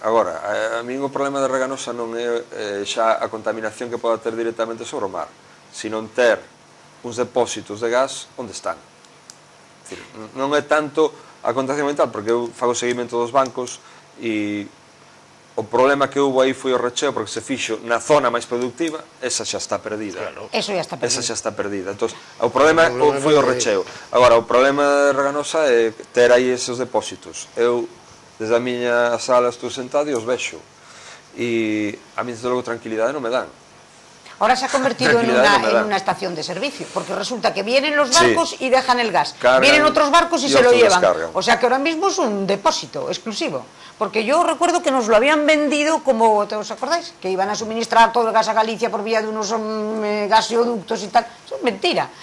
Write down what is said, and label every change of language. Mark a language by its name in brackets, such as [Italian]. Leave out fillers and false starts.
[Galician] Agora, a mí o problema de Reganosa non é xa a contaminación que poda ter directamente sobre o mar, sino ter uns depósitos de gas onde están. Non é tanto a contaminación ambiental, porque eu fago seguimento dos bancos e o problema que houve aí foi o recheo, porque se fixo na zona máis productiva, esa xa está perdida. Eso xa está perdida. Esa xa está perdida. Entón, o problema foi o recheo. Agora, o problema de Reganosa é ter aí esos depósitos. Eu desde a miña sala estou sentado e os vexo. E a mí, desde logo, tranquilidade non me dan. [Spanish] Ahora se ha convertido en una estación de servicio, porque resulta que vienen los barcos y dejan el gas. Cargan, vienen otros barcos y se lo llevan. O sea que ahora mismo es un depósito exclusivo. Porque yo recuerdo que nos lo habían vendido como, ¿os acordáis? Que iban a suministrar todo el gas a Galicia por vía de unos gasoductos y tal. Eso es mentira.